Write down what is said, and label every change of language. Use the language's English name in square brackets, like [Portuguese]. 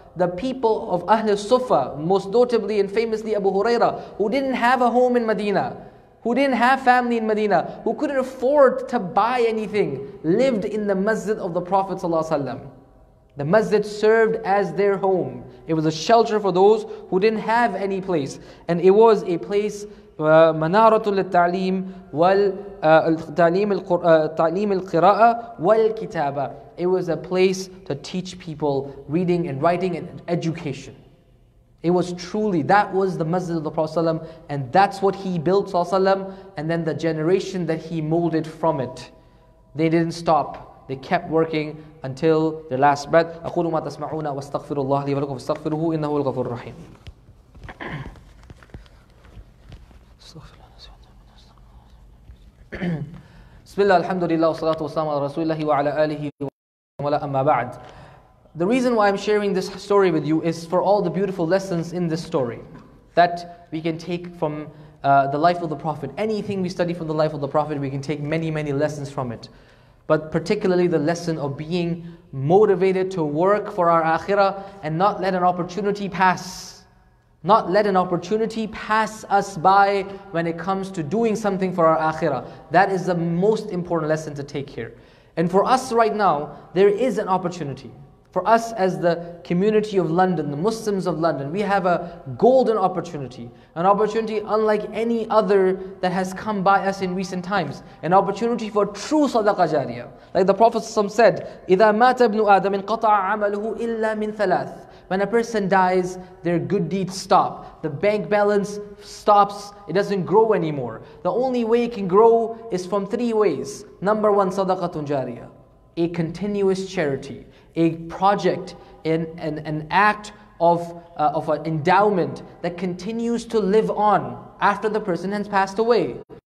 [English] The people of Ahlul Sufa, most notably and famously Abu Huraira, who didn't have a home in Medina, who didn't have family in Medina, who couldn't afford to buy anything, lived in the masjid of the Prophet ﷺ. The masjid served as their home. It was a shelter for those who didn't have any place. And it was a place, [Arabic] منارة للتعليم والتعليم التعليم القراءة والكتابة. [English] It was a place to teach people reading and writing and education. It was truly, that was the masjid of the Prophet ﷺ, and that's what he built, ﷺ, and then the generation that he molded from it, they didn't stop. They kept working until their last breath. [Arabic] أقول ما تسمعون واستغفر الله لي ولكم فاستغفروه إنه الغفور الرحيم. Bismillah, alhamdulillah, wa salatu wa salam ala rasulillahi wa ala alihi wa ala amma ba'd. [English] The reason why I'm sharing this story with you is for all the beautiful lessons in this story that we can take from the life of the Prophet. Anything we study from the life of the Prophet, we can take many, many lessons from it. But particularly the lesson of being motivated to work for our akhirah and not let an opportunity pass. Not let an opportunity pass us by when it comes to doing something for our akhirah. That is the most important lesson to take here. And for us right now, there is an opportunity. For us as the community of London, the Muslims of London, we have a golden opportunity. An opportunity unlike any other that has come by us in recent times. An opportunity for true sadaqah jariyah. Like the Prophet ﷺ said, [Arabic] إِذَا مَاتَ ابْنُ آدَمٍ قَطَعَ عَمَلُهُ إِلَّا مِنْ ثَلَاثٍ. [English] When a person dies, their good deeds stop. The bank balance stops. It doesn't grow anymore. The only way it can grow is from three ways. Number one, sadaqatun jariyah, a continuous charity, a project, an act of an endowment that continues to live on after the person has passed away.